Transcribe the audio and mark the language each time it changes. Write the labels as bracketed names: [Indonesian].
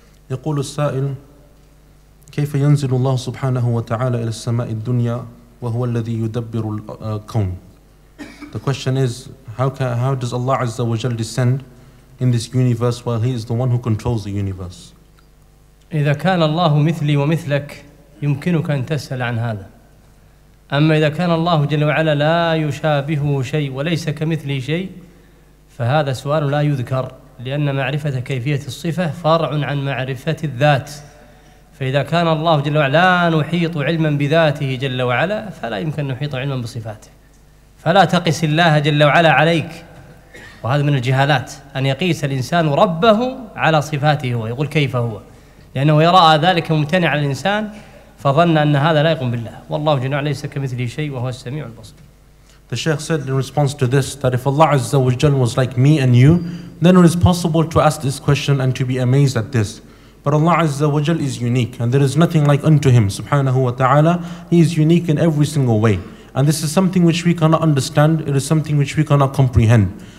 [Arabic] يقول السائل كيف ينزل الله سبحانه وتعالى إلى السماء الدنيا وهو الذي يدبر الكون. [English] The question is how does Allah Azza wa Jal descend in this universe while He is the one who controls the universe. [Arabic] إذا كان الله مثلي ومثلك يمكنك أن تسأل عن هذا. أما إذا كان الله جل وعلا لا يشابه شيء وليس كمثله شيء فهذا سؤال لا يذكر. لأن معرفة كيفية الصفة فرع عن معرفة الذات. فإذا كان الله جل وعلا لا نحيط علما بذاته جل وعلا فلا يمكن نحيط علما بصفاته. فلا تقس الله جل وعلا عليك. وهذا من الجهالات أن يقيس الإنسان ربه على صفاته هو، يقول كيف هو، لأنه يرى ذلك ممتنع على الإنسان فظن أن هذا لا يقوم بالله والله جل وعلا ليس كمثله شيء وهو السميع البصير. [English] The Sheikh said in response to this that if Allah Azza wa Jal was like me and you, then it is possible to ask this question and to be amazed at this. But Allah Azza wa Jal is unique and there is nothing like unto Him, Subhanahu wa Ta'ala. He is unique in every single way. And this is something which we cannot understand, it is something which we cannot comprehend.